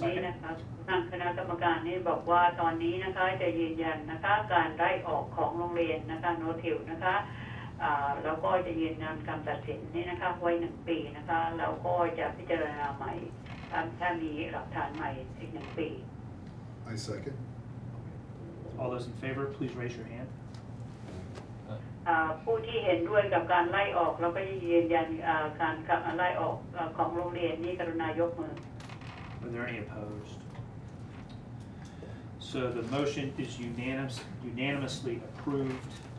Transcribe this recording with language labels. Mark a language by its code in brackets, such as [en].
[th] ตอนนี้นะคะทางคณะกรรมการนี่บอกว่าตอนนี้นะคะจะยืนยันนะคะการไล่ออกของโรงเรียนนะคะโนทิวนะคะแล้วก็จะยืนยันคำตัดสินนี่นะคะไว้1ปีนะคะแล้วก็จะพิจารณาใหม่ถ้ามีหลักฐานใหม่อีก1ปี [en] I second. All those in favor, please raise your hand. [th] ผู้ที่เห็นด้วยกับการไล่ออกแล้วก็ยืนยันการไล่ออกของโรงเรียนนี้กรุณายกมือ [en] Are there any opposed? So the motion is unanimously approved.